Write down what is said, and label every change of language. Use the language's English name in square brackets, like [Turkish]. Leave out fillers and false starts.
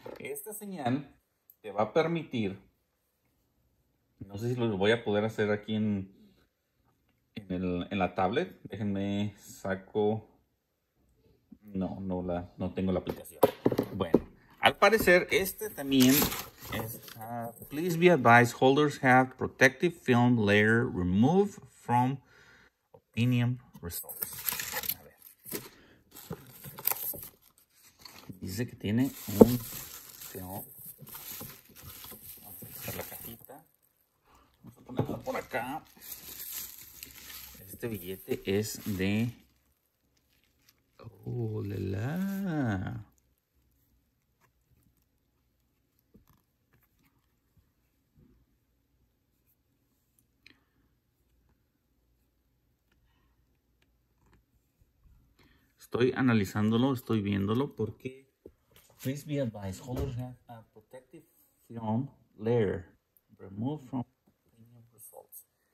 [Spanish] Esta señal te va a permitir, no sé si lo voy a poder hacer aquí en la tablet. Déjenme saco. No tengo la aplicación. Bueno, al parecer este también es. [English] Please be advised, holders have protective film layer removed from opinion results. [Spanish] A ver. Dice que tiene un film. Vamos a quitar la cajita. Vamos a ponerla por acá. Este billete es de. Oh, la, la. Estoy analizándolo, estoy viéndolo porque. [English] Please be advised, holders have a protective film layer removed from premium results.